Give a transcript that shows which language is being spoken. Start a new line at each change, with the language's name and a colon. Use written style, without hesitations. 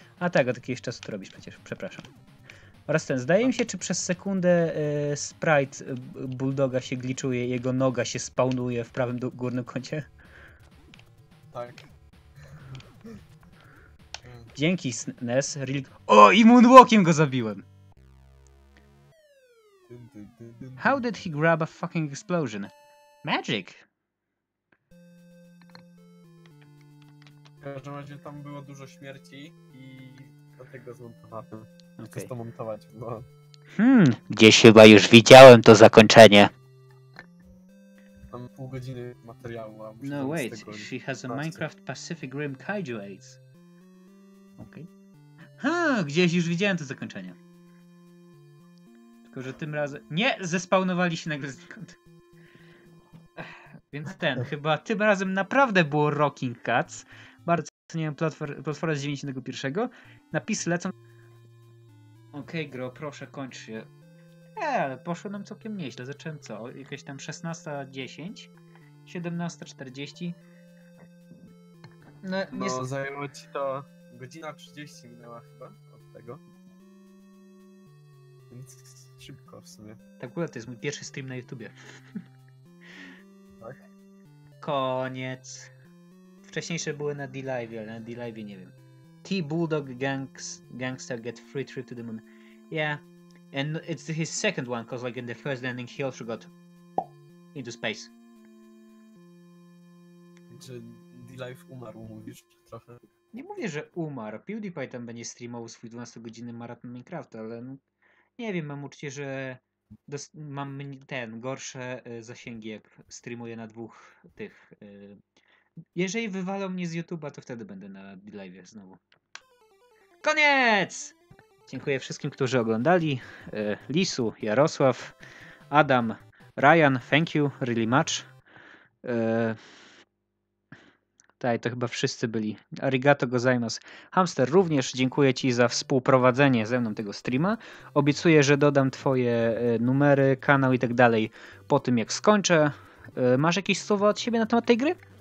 Polish: A tak, od jakiegoś czasu to robisz przecież, przepraszam. Oraz ten, zdaje mi się, czy przez sekundę sprite bulldoga się gliczuje, jego noga się spawnuje w prawym górnym kącie? Tak. Dzięki, SNES. O, i moonwalkiem go zabiłem!
English: How did he grab a fucking explosion? Magic!
Polish: W każdym razie tam było dużo śmierci i dlatego zmontowałem. Okay. Chcę to montować, bo... Gdzieś chyba już widziałem to zakończenie. Mam pół godziny materiału, a muszę...
English: No wait, she has a Minecraft Pacific Rim Kaiju Aids. Okay.
Polish: Ha, gdzieś już widziałem to zakończenie. Tylko, że tym razem... Nie! Zespawnowali się nagle znikąd. Więc ten, chyba tym razem naprawdę było Rocking Cats. Bardzo ceniłem platformę z 91. Napisy lecą. Okej, okay, gro, proszę, kończ się. Ale poszło nam całkiem nieźle. Zacząłem co? Jakieś tam 16:10? 17:40? No, nie... no zajęło ci to... Godzina 30 minęła chyba od tego. Więc szybko w sumie. Tak, w ogóle to jest mój pierwszy stream na YouTubie. Tak? Koniec. Wcześniejsze były na D-Live, ale na D-Live nie wiem.
English: T-Bulldog Gangster get free trip to the moon. Yeah. And it's his second one, cause like in the first landing he also got into space.
Polish: Czy D-Live umarł, mówisz trochę? Nie mówię, że umarł. PewDiePie tam będzie streamował swój 12-godzinny maraton Minecrafta, ale no, nie wiem, mam uczucie, że mam ten gorsze zasięgi, jak streamuję na dwóch tych. Jeżeli wywalą mnie z YouTube'a, to wtedy będę na D-Live'ie znowu. Koniec! Dziękuję wszystkim, którzy oglądali.
English: Lisu, Jarosław, Adam, Ryan, thank you really much.
Polish: Tak, to chyba wszyscy byli.
Japanese: Arigato gozaimasu.
Polish: Hamster, również dziękuję ci za współprowadzenie ze mną tego streama. Obiecuję, że dodam twoje numery, kanał i tak dalej po tym, jak skończę. Masz jakieś słowa od siebie na temat tej gry?